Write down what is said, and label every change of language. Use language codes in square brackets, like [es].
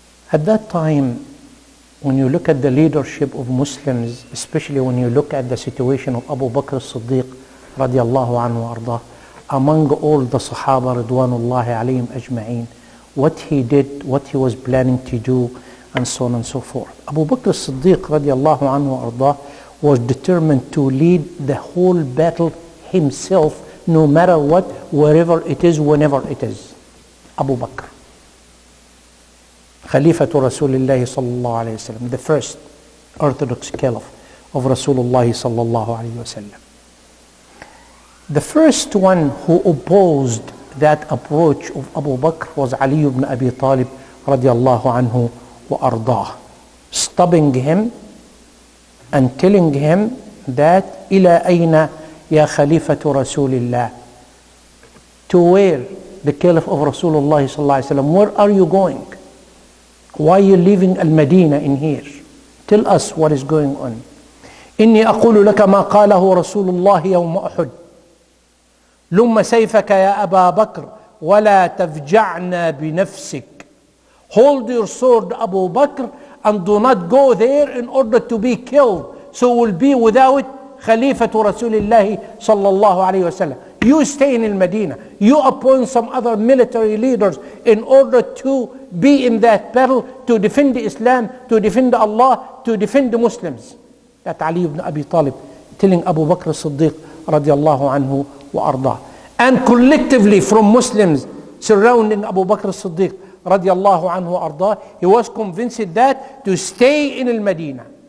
[en] At that time, when you look at the leadership of Muslims, especially when you look at the situation of Abu Bakr al-Siddiq radiallahu anhu ardah, among all the Sahaba ridwanullahi alayhim ajma'in, what he did, what he was planning to do, and so on and so forth. Abu Bakr al-Siddiq radiallahu anhu ardah was determined to lead the whole battle himself, no matter what, wherever it is, whenever it is. Abu Bakr, [ar] خليفة رسول الله صلى الله عليه وسلم, [en] the first Orthodox Caliph of Rasulullah صلى الله عليه وسلم. The first one who opposed that approach of Abu Bakr was Ali ibn Abi Talib رضي الله عنه وأرضاه, stopping him and telling him that [ar] إلى أين يا خليفة رسول الله, [en] to where, the Caliph of Rasulullah صلى الله عليه وسلم, where are you going? Why are you leaving Al-Madinah in here? Tell us what is going on. [ar] إني أقول لك ما قاله رسول الله يوم أحد. لم سيفك يا أبا بكر ولا تفجعنا بنفسك. [en] Hold your sword, Abu Bakr, and do not go there in order to be killed. So we'll be without [ar] خليفة رسول الله صلى الله عليه وسلم. [en] You stay in Al-Madinah. You appoint some other military leaders in order to be in that battle to defend Islam, to defend Allah, to defend the Muslims. That Ali ibn Abi Talib telling Abu Bakr al-Siddiq radiallahu anhu wa arda. And collectively from Muslims surrounding Abu Bakr al-Siddiq radiallahu anhu wa arda, he was convinced that to stay in Al-Madinah.